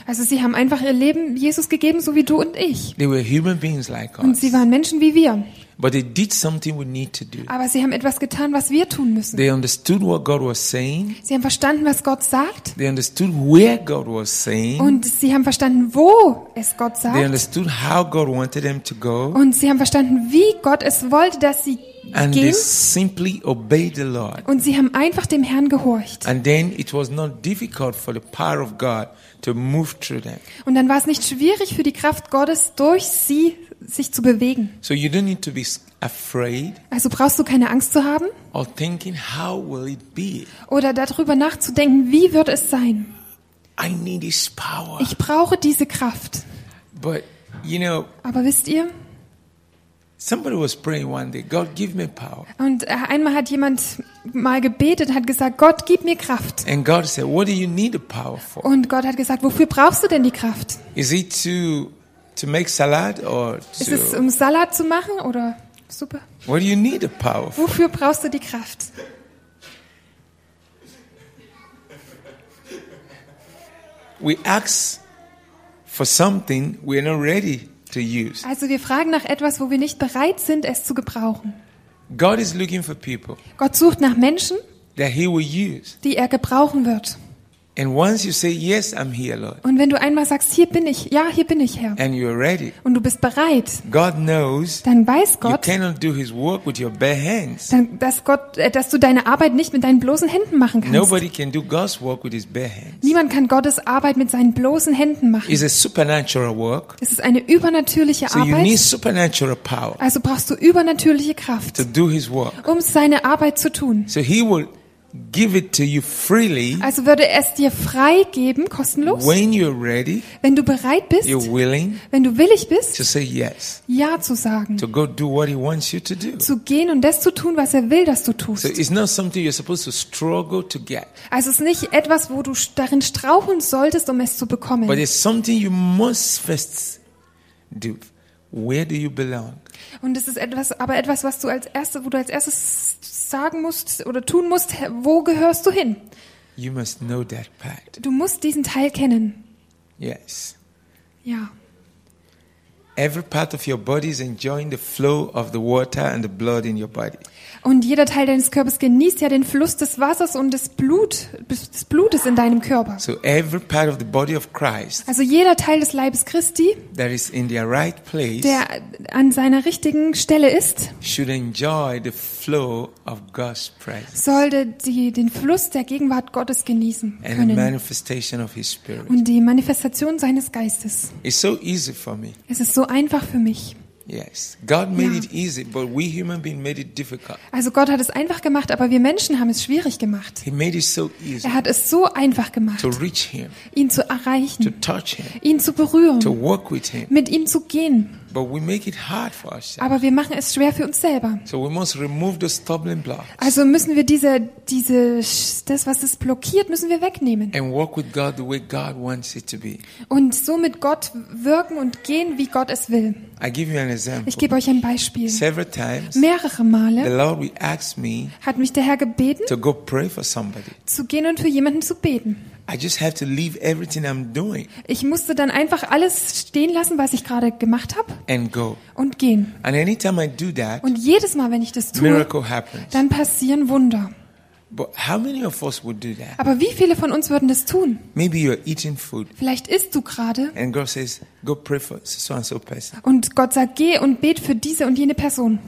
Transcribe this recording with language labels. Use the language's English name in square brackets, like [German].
[German] Also sie haben einfach ihr Leben Jesus gegeben, so wie du und ich. [English] They were human beings like us. [German] Und sie waren Menschen wie wir. [English] But they did something we need to do. [German] Aber sie haben etwas getan, was wir tun müssen. [English] They understood what God was saying. [German] Sie haben verstanden, was Gott sagt. [English] They understood where God was saying. [German] Und sie haben verstanden, wo es Gott sagt. [English] They understood how God wanted them to go. [German] Und sie haben verstanden, wie Gott es wollte, dass sie [English] and [German] gehen. [English] They simply obeyed the Lord. [German] Und sie haben einfach dem Herrn gehorcht. [English] And then it was not difficult for the power of God to move through them. [German] Und dann war es nicht schwierig für die Kraft Gottes durch sie sich zu bewegen. [English] So you don't need to be afraid. [German] Also brauchst du keine Angst zu haben. [English] Or thinking how will it be? [German] Oder darüber nachzudenken, wie wird es sein? [English] I need this power. [German] Ich brauche diese Kraft. [English] But you know. [German] Aber wisst ihr? [English] Somebody was praying one day, God give me power. [German] Und einmal hat jemand mal gebetet, hat gesagt, Gott gib mir Kraft. [English] And God said, what do you need the power for? [German] Und Gott hat gesagt, wofür brauchst du denn die Kraft? [English] Is it to make salad or to? [German] Ist es um Salat zu machen oder Suppe? [English] What do you need the power for? [German] Wofür brauchst du die Kraft? [English] We ask for something we are not ready to use. [German] Also wir fragen nach etwas, wo wir nicht bereit sind, es zu gebrauchen. [English] God is looking for people. [German] Gott sucht nach Menschen, [English] that he will use. [German] Die er gebrauchen wird. [English] And once you say yes, I'm here, Lord. [German] Und wenn du einmal sagst, hier bin ich, ja, hier bin ich, Herr. [English] And you're ready. [German] Und du bist bereit. [English] God knows. [German] Dann weiß Gott. [English] You cannot do his work with your bare hands. [German] Dann, dass du deine Arbeit nicht mit deinen bloßen Händen machen kannst. [English] Nobody can do God's work with his bare hands. [German] Niemand kann Gottes Arbeit mit seinen bloßen Händen machen. [English] It's a supernatural work. [German] Es ist eine übernatürliche Arbeit. [English] So you need supernatural power. [German] Also brauchst du übernatürliche Kraft. [English] To do his work. [German] Um seine Arbeit zu tun. [English] So he will give it to you freely. [German] Also würde er es dir freigeben, kostenlos. [English] When you're ready. [German] Wenn du bereit bist. [English] You're willing. [German] Wenn du willig bist. [English] To say yes. [German] Ja zu sagen. [English] To go do what he wants you to do. [German] Zu gehen und das zu tun, was er will, dass du tust. [English] So it's not something you're supposed to struggle to get. [German] Also es ist nicht etwas, wo du darin straucheln solltest, um es zu bekommen. [English] But it's something you must first do. Where do you belong? [German] Und es ist etwas, aber etwas, was du als erstes, wo du als erstes sagen musst oder tun musst, wo gehörst du hin? [English] You must know that part. [German] Du musst diesen Teil kennen. [English] Yes. [German] Ja. [English] Every part of your body is enjoying the flow of the water and the blood in your body. [German] Und jeder Teil deines Körpers genießt ja den Fluss des Wassers und des Blutes in deinem Körper. [English] So every part of the body of Christ. [German] Also jeder Teil des Leibes Christi. [English] That is in the right place. [German] Der an seiner richtigen Stelle ist. [English] Should enjoy the flow of God's presence. [German] Sollte den Fluss der Gegenwart Gottes genießen können. [English] And the manifestation of His Spirit. [German] Und die Manifestation seines Geistes. [English] It's so easy for me. [German] Es ist so einfach für mich. [English] Yes, God made it easy, but we human beings made it difficult. [German] Also Gott hat es einfach gemacht, aber wir Menschen haben es schwierig gemacht. [English] He made it so easy. [German] Er hat es so einfach gemacht. [English] To reach him. [German] Ihn zu erreichen. [English] To touch him. [German] Ihn zu berühren. [English] To walk with him. [German] Mit ihm zu gehen. [English] But we make it hard for ourselves. [German] Aber wir machen es schwer für uns selber. [English] So we must remove the stumbling blocks. [German] Also müssen wir das, was es blockiert, müssen wir wegnehmen. [English] And walk with God the way God wants it to be. [German] Und so mit Gott wirken und gehen, wie Gott es will. [English] I give you an example. [German] Ich gebe euch ein Beispiel. [English] Several times, [German] mehrere Male, [English] the Lord asked me, [German] hat mich der Herr gebeten, [English] to go pray for somebody. [German] Zu gehen und für jemanden zu beten. [English] I just have to leave everything I'm doing. [German] Ich musste dann einfach alles stehen lassen, was ich gerade gemacht habe. [English] And go. [German] Und gehen. [English] And anytime I do that, [German] und jedes Mal, wenn ich das tue, [English] miracle happens. [German] Dann passieren Wunder. [English] But how many of us would do that? [German] Aber wie viele von uns würden das tun? [English] Maybe you're eating food. [German] Vielleicht isst du gerade. [English] And God says, go pray for so and so person. [German] Und Gott sagt, geh und bet für diese und jene Person.